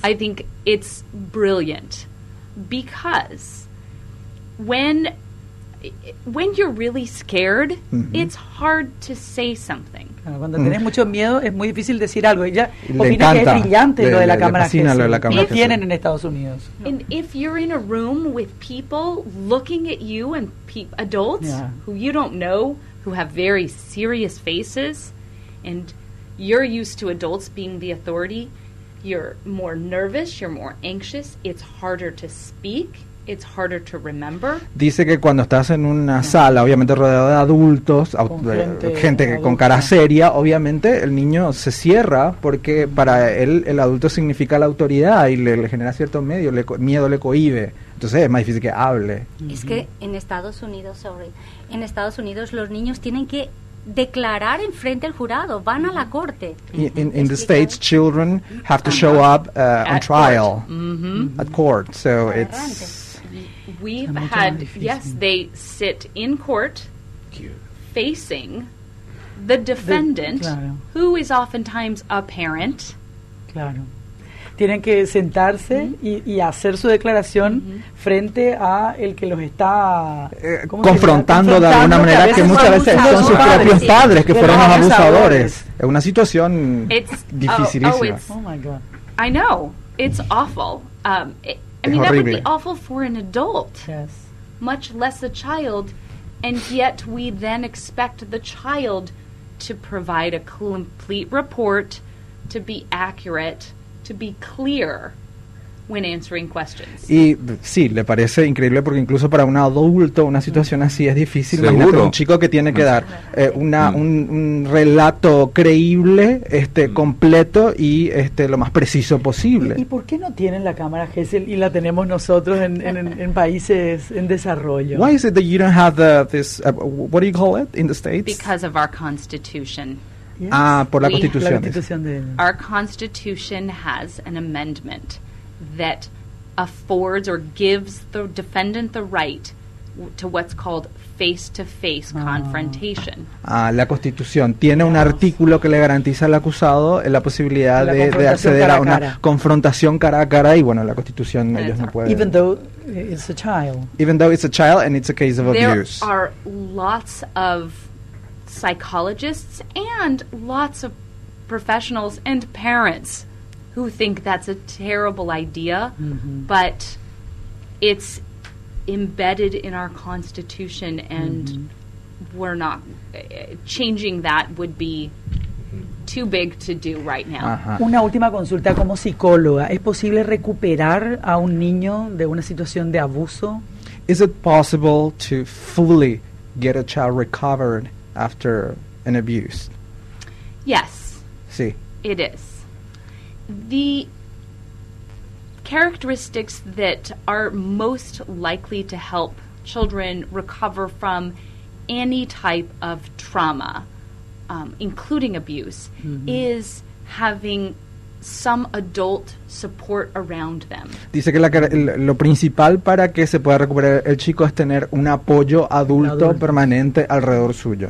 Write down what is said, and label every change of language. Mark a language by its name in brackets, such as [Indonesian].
[English] I think it's brilliant because when you're really scared, it's hard to say something. [Spanish] Cuando tenés mucho miedo, es muy difícil decir algo. Ella opina que es brillante lo de la cámara que tienen en Estados Unidos. [English] And if you're in a room with people looking at you and adults who you don't know, who have very serious faces, and you're used to adults being the authority, you're more nervous, you're more anxious, it's harder to speak, it's harder to remember. [Spanish] Dice que cuando estás en una sala, obviamente rodeado de adultos, gente adulta con cara seria, obviamente el niño se cierra porque para él el adulto significa la autoridad y le genera cierto miedo, le cohíbe. Entonces es más difícil que hable. Es que en Estados Unidos los niños tienen que declarar en frente al jurado, van a la corte. [English] In the States, children have to show up on trial, at court. So it's... We've had, yes, they sit in court facing the defendant, who is oftentimes a parent. [Spanish] Claro. Tienen que sentarse y hacer su declaración frente a el que los está confrontando de alguna manera, que muchas veces son sus propios padres que fueron los abusadores. Es una situación dificilísima. [English] I know. It's awful. That would be awful for an adult. Yes. Much less a child, and yet we then expect the child to provide a complete report, to be accurate, to be clear when answering questions. [Spanish] Y sí, le parece increíble porque incluso para un adulto una situación así es difícil. Seguro. Un chico que tiene que dar un relato creíble, completo y lo más preciso posible. ¿Y por qué no tienen la cámara Gesell y la tenemos nosotros en países en desarrollo? [English] Why is it that you don't have what do you call it in the States? Because of our constitution. Yes. [Spanish] Ah, por la constitución. [English] Our constitution has an amendment that affords or gives the defendant the right to what's called face-to-face confrontation. [Spanish] La constitución tiene un artículo que le garantiza al acusado la posibilidad de acceder a una confrontación cara a cara, y bueno, la constitución ellos no pueden. [English] Even though it's a child and it's a case of abuse. There are lots of psychologists and lots of professionals and parents who think that's a terrible idea, but it's embedded in our constitution, and we're not changing that would be too big to do right now. [Spanish] Una última consulta como psicóloga, ¿es posible recuperar a un niño de una situación de abuso? [English] Is it possible to fully get a child recovered after an abuse? Yes. [Spanish] Sí. [English] It is. The characteristics that are most likely to help children recover from any type of trauma, including abuse, mm-hmm. is having some adult support around them. [Spanish] Dice que lo principal para que se pueda recuperar el chico es tener un apoyo adulto permanente alrededor suyo.